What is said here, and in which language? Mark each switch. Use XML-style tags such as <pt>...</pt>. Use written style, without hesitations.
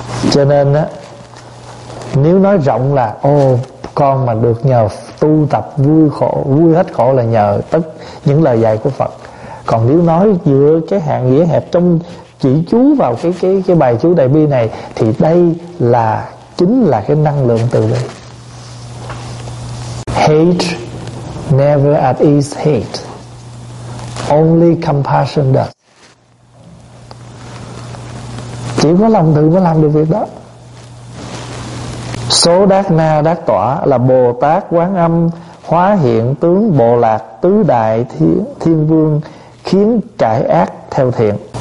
<vi>Cho nên á, nếu nói rộng là ô con mà được nhờ tu tập vui khổ, vui hết khổ là nhờ tất những lời dạy của Phật. Còn nếu nói dựa cái hạng nghĩa hẹp trong chỉ chú vào cái bài chú Đại Bi này, thì đây là chính là cái năng lượng từ bi.</vi> <en>Hate never at ease hate, only compassion does.</en> <vi>Chỉ có lòng từ mới làm được việc đó. Số Đát Na Đát Tỏa là Bồ Tát Quán Âm hóa hiện tướng Bồ Lạc Tứ Đại Thiên Vương, khiến cải ác theo thiện.</vi>